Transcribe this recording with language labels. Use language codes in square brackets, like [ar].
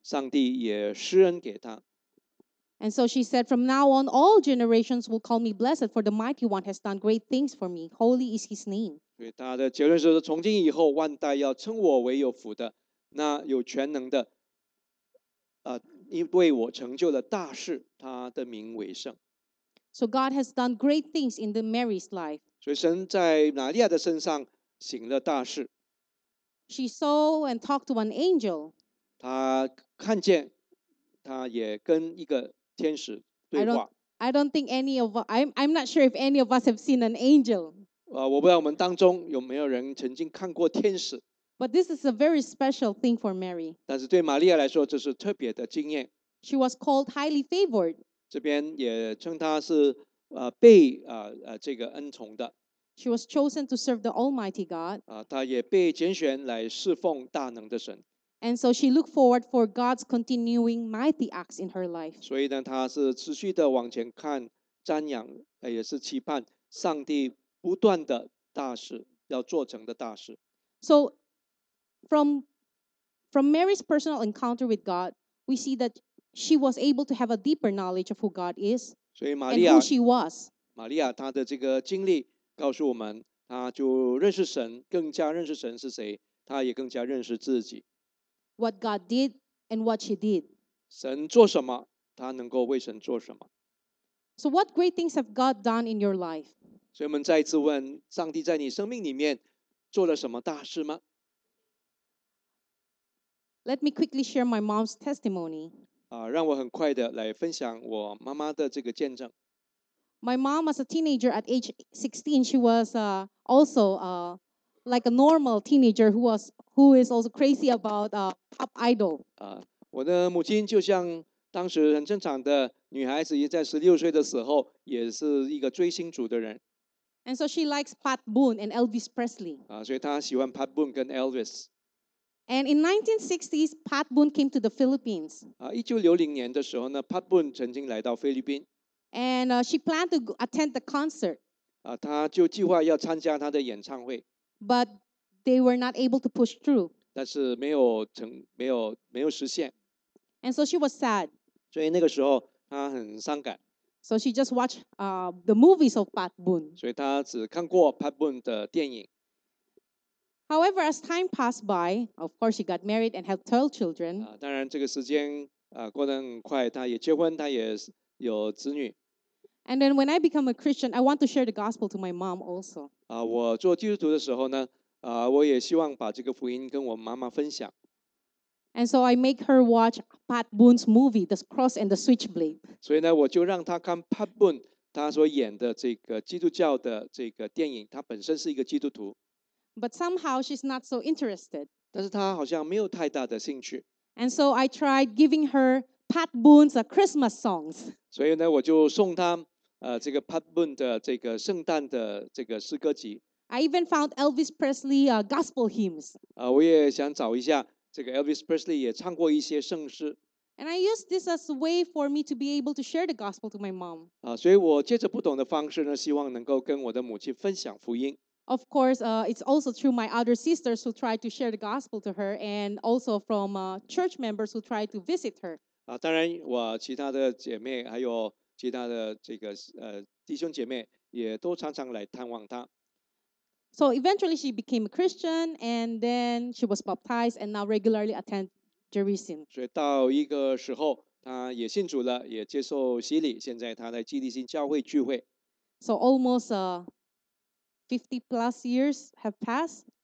[zh] 上帝也施恩给他。 [en] And so she said, From now on, all generations will call me blessed, for the mighty one has done great things for me. Holy is his name. [zh] 所以他的结论是说，从今以后，万代要称我为有福的，那有全能的，因为我成就了大事，他的名为圣。 [en] So God has done great things in the Mary's life. [zh] 所以神在玛利亚的身上行了大事。 [en] She saw and talked to an angel. [zh] 她看见，她也跟一个天使对话。 [en] I'm not sure if any of us have seen an angel. [zh] 我不知道我们当中有没有人曾经看过天使。 [en] But this is a very special thing for Mary. [zh] 但是对玛利亚来说，这是特别的经验。 [en] She was called highly favored. [zh] 这边也称她是被这个恩宠的。 [en] She was chosen to serve the Almighty God. [zh] 她也被拣选来侍奉大能的神。 [en] And so she looked forward for God's continuing mighty acts in her life. [zh] 所以呢，她是持续的往前看，瞻仰，也是期盼上帝不断的大事要做成的大事。 [en] So from Mary's personal encounter with God, we see that. She was able to have a deeper knowledge of who God is [zh] 所以玛利亚, [en] and who she was. [zh] 玛利亚她的这个经历告诉我们，她就认识神，更加认识神是谁，她也更加认识自己。 [en] What God did and what she did. [zh] 神做什么，她能够为神做什么。 [en] So what great things have God done in your life? [zh] 所以我们再一次问，上帝在你生命里面做了什么大事吗？ [en] Let me quickly share my mom's testimony. [zh] 让我很快的来分享我妈妈的这个见证。 [en] My mom was a teenager at age 16. She was also like a normal teenager who is also crazy about pop idol. [zh] 我的母亲就像当时很正常的女孩子，也在16岁的时候也是一个追星族的人。 [en] And so she likes Pat Boone and Elvis Presley. [zh] 所以她喜欢 Pat Boone 跟 Elvis。 [en] And in 1960s, Pat Boone came to the Philippines. [zh] 1960年的时候呢 ，Pat Boone 曾经来到菲律宾。 [en] And she planned to attend the concert. [zh] 他就计划要参加他的演唱会。 [en] But they were not able to push through. [zh] 但是没有实现。 [en] And so she was sad. [zh] 所以那个时候他很伤感。 [en] So she just watched the movies of Pat Boone. [zh] 所以他只看过 Pat Boone 的电影。 [en] However, as time passed by, of course, she got married and had 12 children. [zh] 当然这个时间过得很快，她也结婚，她也有子女。 [en] And then when I become a Christian, I want to share the gospel to my mom also. [zh] 我做基督徒的时候呢，我也希望把这个福音跟我妈妈分享。 [en] And so I make her watch Pat Boone's movie, The Cross and the Switchblade. [zh] 所以呢，我就让她看 Pat Boone 他所演的这个基督教的这个电影。他本身是一个基督徒。 [en] But somehow she's not so interested. [zh] 但是她好像没有太大的兴趣。 [en] And so I tried giving her Pat Boone's Christmas songs. [zh] 所以呢，我就送她这个 Pat Boone 的这个圣诞的这个诗歌集。 [en] I even found Elvis Presley gospel hymns. [zh] 我也想找一下这个 Elvis Presley 也唱过一些圣诗。 [en] And I used this as a way for me to be able to share the gospel to my mom. [zh] 所以我借着不同的方式呢，希望能够跟我的母亲分享福音。 [en] Of course, it's also through my other sisters who try to share the gospel to her, and also from church members who try to visit her. [zh] 当然我其他的姐妹还有其他的这个弟兄姐妹也都常常来探望她。 [en] So eventually she became a Christian, and then she was baptized, and now regularly attend Jerusalem. [zh] 所以到一个时候，她也信主了，也接受洗礼。现在她在基利心教会聚会。 [en] So almost 50 plus years have passed.